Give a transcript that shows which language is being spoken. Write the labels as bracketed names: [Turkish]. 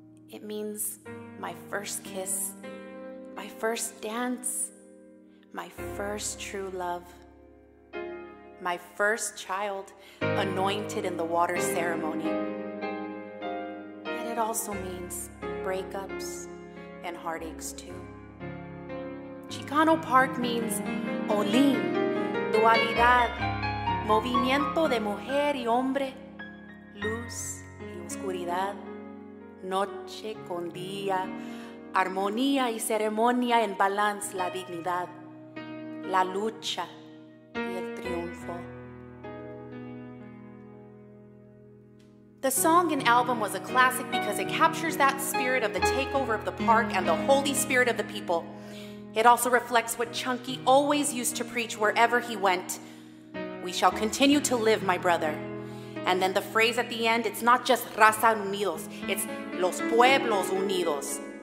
[English] It means my first kiss, my first dance, my first true love, my first child anointed in the water ceremony. And it also means breakups and heartaches too. Chicano Park means [Spanish] Olin, dualidad, movimiento de mujer y hombre, luz y oscuridad, noche con día, armonía y ceremonia en balance, la dignidad, la lucha y el triunfo. [English] The song and album was a classic because it captures that spirit of the takeover of the park and the holy spirit of the people. It also reflects what Chunky always used to preach wherever he went. We shall continue to live, my brother. And then the phrase at the end, it's not just Raza Unidos, it's Los Pueblos Unidos.